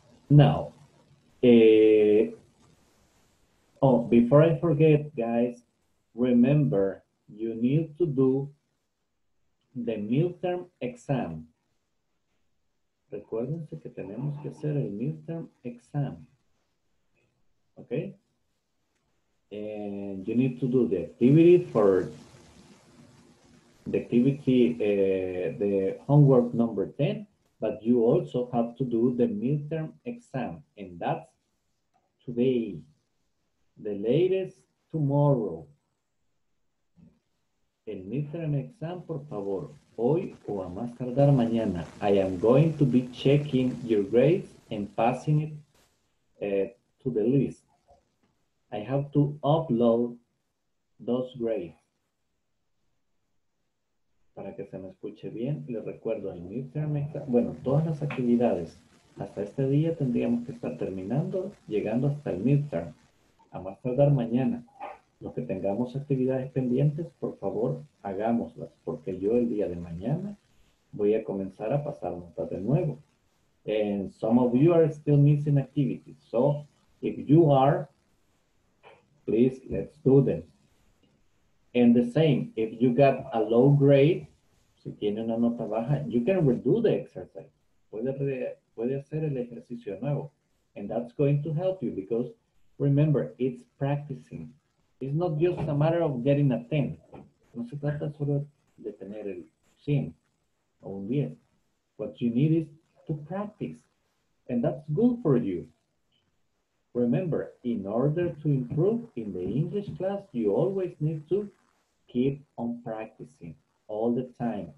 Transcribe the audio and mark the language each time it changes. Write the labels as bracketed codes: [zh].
[en] Now, before I forget, guys, remember, you need to do the midterm exam. [es] Recuérdense que tenemos que hacer el midterm exam. [en] Okay? And you need to do the activity for the activity, the homework number 10, but you also have to do the midterm exam. And that's today, the latest tomorrow. [es] El midterm exam, por favor, hoy o a más tardar mañana. [en] I am going to be checking your grades and passing it to the list. I have to upload those grades. [es] Para que se me escuche bien, les recuerdo el midterm exam. Bueno, todas las actividades hasta este día tendríamos que estar terminando, llegando hasta el midterm. A más tardar mañana. Los que tengamos actividades pendientes, por favor, hagámoslas, porque yo el día de mañana voy a comenzar a pasar notas de nuevo. [en] And some of you are still missing activities. So, if you are, please, let's do them. And the same, if you got a low grade, [es] si tiene una nota baja, [en] you can redo the exercise. [es] Puede hacer el ejercicio nuevo. [en] And that's going to help you because, remember, it's practicing. It's not just a matter of getting a 10. [es] No se trata solo de tener el 100 o un 10. [en] What you need is to practice. And that's good for you. Remember, in order to improve in the English class, you always need to keep on practicing all the time.